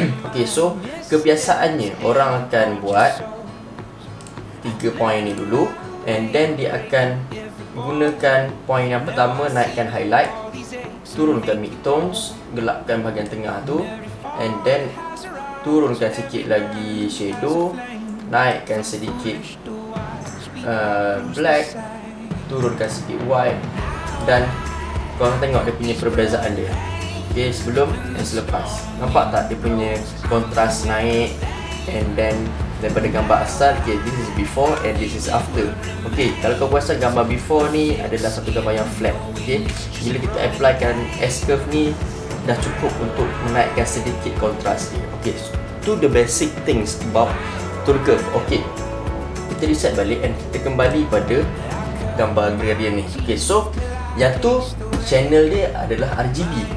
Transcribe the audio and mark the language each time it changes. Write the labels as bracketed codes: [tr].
[ms] Okay, so kebiasaannya orang akan buat 3 point ni dulu and then dia akan gunakan point yang pertama, naikkan highlight, turunkan midtones, gelapkan bahagian tengah tu, and then turunkan sikit lagi shadow, naikkan sedikit black, turunkan sikit white, dan korang tengok dia punya perbezaan dia. okay, sebelum dan selepas. Nampak tak dia punya kontras naik? [en] And then [ms] daripada gambar asal, [en] okay, this is before and this is after. [ms] Okay, kalau kau puasa gambar before ni adalah satu gambar yang flat. Okay, bila kita applykan S-curve ni, dah cukup untuk menaikkan sedikit kontras ni. [en] Okay, so, to the basic things about tool curve. [ms] Okay, kita reset balik and kita kembali pada gambar gradient ni. Okay, so yang tu channel dia adalah RGB.